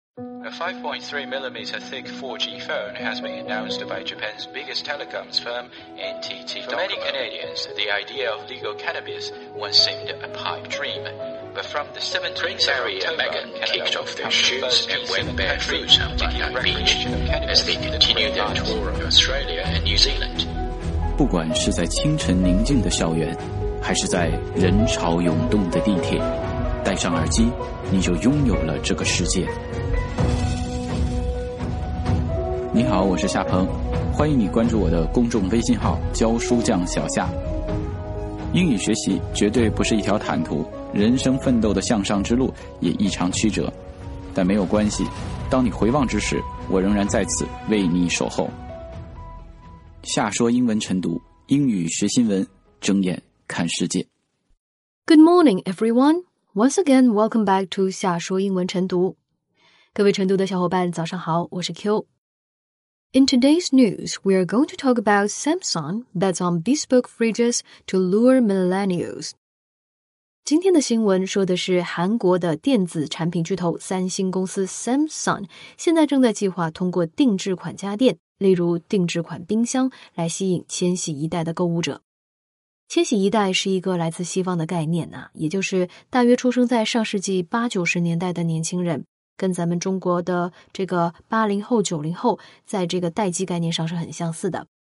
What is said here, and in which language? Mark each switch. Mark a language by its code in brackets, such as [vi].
[en] A 5.3mm thick 4G phone has been announced by Japan's biggest telecoms firm, NTT Docomo. For many Canadians, the idea of legal cannabis once seemed a pipe dream. But from the 17th Harry of October, and Meghan kicked off their shoes and went barefoot on Bondi Beach as they continued their tour of Australia and New Zealand. [zh] 不管是在清晨宁静的校园，还是在人潮涌动的地铁，戴上耳机，你就拥有了这个世界。你好，我是夏鹏，欢迎你关注我的公众微信号“教书匠小夏”。英语学习绝对不是一条坦途，人生奋斗的向上之路也异常曲折，但没有关系，当你回望之时，我仍然在此为你守候。夏说英文晨读，英语学新闻，睁眼看世界。 [en] Good morning, everyone. Once again, welcome back to 夏说英文晨读。 [zh] 各位晨读的小伙伴，早上好，我是 Q。 [en] In today's news, we are going to talk about Samsung bets on bespoke fridges to lure millennials. [zh] 今天的新闻说的是韩国的电子产品巨头三星公司 Samsung 现在正在计划通过定制款家电，例如定制款冰箱，来吸引千禧一代的购物者。千禧一代是一个来自西方的概念，也就是大约出生在上世纪八九十年代的年轻人，跟咱们中国的这个80后90后在这个代际概念上是很相似的。